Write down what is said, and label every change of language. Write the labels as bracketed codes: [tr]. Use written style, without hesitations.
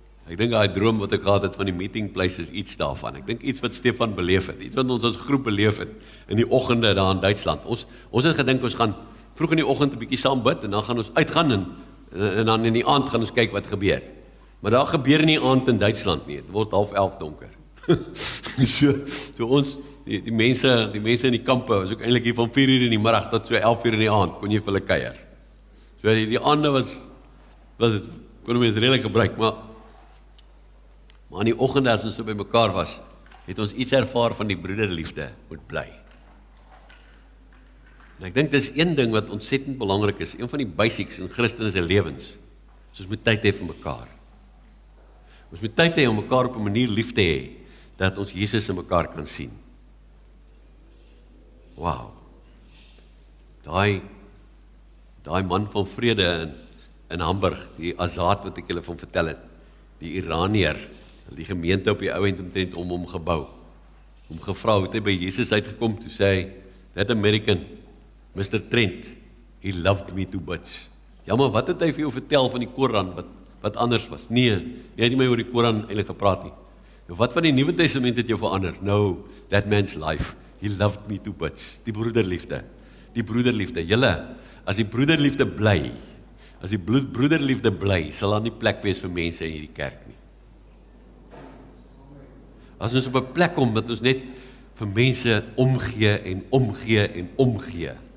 [af] Ek dink daai droom wat ek gehad het van die [en] meeting place [af] is iets daarvan. Ek dink iets wat Stefan beleef het, iets wat ons as groep beleef het in die oggende daar in Duitsland. Ons het gedink ons gaan vroeg in die oggend 'n bietjie saam bid en dan gaan ons uitgaan en dan in die aand gaan ons kyk wat gebeur. Maar daar gebeur nie aand in Duitsland nie. Het word 10:30 donker. so ons die mense in die kampe was ook eintlik hier van 4:00 in die middag tot so 11:00 in die aand kon jy vir hulle kuier. So die aande was het, kon ons redelik gebruik, maar in die oggende as ons so by mekaar was, het ons iets ervaar van die broederliefde moet bly. En ek dink dis een ding wat ontsettend belangrik is, een van die basics in Christelike lewens. Ons moet tyd hê vir mekaar. Ons moet tyd hê om mekaar op 'n manier lief te hê dat ons Jesus in mekaar kan sien. Wow. Daai man van vrede in Hamburg, die Azad wat ek julle van vertel het, die Iranier, die gemeente op die ou end omtrent om hom gebou. Hom gevra hoe hy by Jesus uitgekom, toe sê hy, [en] "That American, Mr. Trent, he loved me too much." [af] Ja, maar wat het hy vir jou vertel van die Koran wat anders was? Nee, hy het nie my oor die Koran eintlik gepraat nie. Nou wat van die Nuwe Testament het jou verander? Nou, [en] that man's life, he loved me too much. [af] Die broederliefde. Die broederliefde. Julle, as die broederliefde bly, as die broederliefde bly, sal daar nie plek wees vir mense in hierdie kerk nie. As ons op 'n plek kom dat ons net vir mense omgee en omgee en omgee.